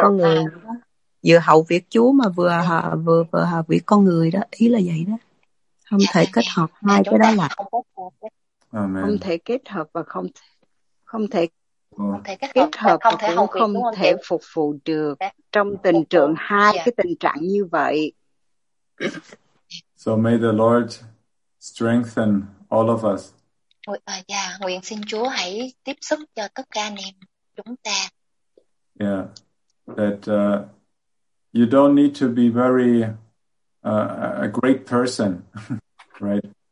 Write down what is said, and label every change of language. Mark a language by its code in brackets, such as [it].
[vi] Con người vừa hậu việc Chúa mà vừa hậu việc con người đó, ý là vậy đó. Không thể kết hợp hai cái đó là không thể kết hợp và không thể kết hợp cũng không thể phục vụ được trong tình trạng hai cái tình trạng như vậy. [en] So may the Lord strengthen all of us. [vi] Nguyện xin Chúa hãy tiếp sức cho tất cả anh em chúng ta. [en] Yeah, that you don't need to be very a great person, right?